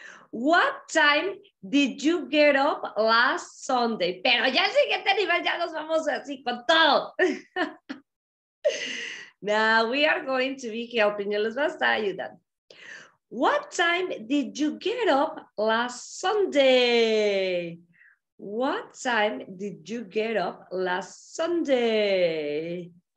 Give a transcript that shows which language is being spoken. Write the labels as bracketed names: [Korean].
[English] What time did you get up last Sunday? [Spanish] Pero ya el siguiente nivel ya nos vamos así con todo. [English] Now we are going to be helping you. [Spanish] Les va a estar ayudando. [English] What time did you get up last Sunday? What time did you get up last Sunday?